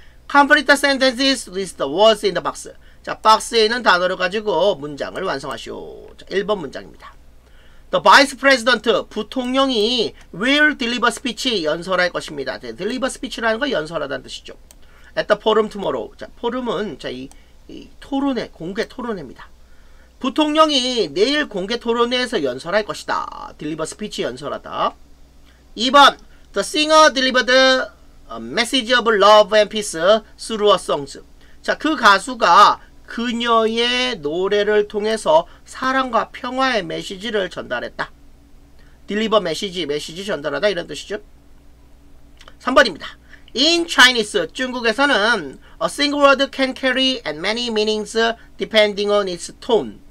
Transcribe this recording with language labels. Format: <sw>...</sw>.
<en>complete the sentences with the words in the box.</en> <ko>자, 박스에 있는 단어를 가지고 문장을 완성하시오. 자, 1번 문장입니다.</ko> <en>The Vice President,</en> <ko>부통령이</ko> <en>will deliver speech,</en> <ko>연설할 것입니다.</ko> <en>deliver speech</en> <ko>라는 건 연설하다는 뜻이죠.</ko> <en>At the forum tomorrow.</en> <ko>자, forum은 자, 이 토론회, 공개 토론회입니다. 부통령이 내일 공개 토론회에서 연설할 것이다. deliver speech, 연설하다.</ko> <en>2번, The singer delivered a message of love and peace through her songs.</en> <ko>자, 그 가수가 그녀의 노래를 통해서 사랑과 평화의 메시지를 전달했다.</ko> <en>deliver message,</en> <ko>메시지 전달하다 이런 뜻이죠. 3번입니다.</ko> <en>In Chinese,</en> <ko>중국에서는</ko> <en>a single word can carry and many meanings depending on its tone.</en>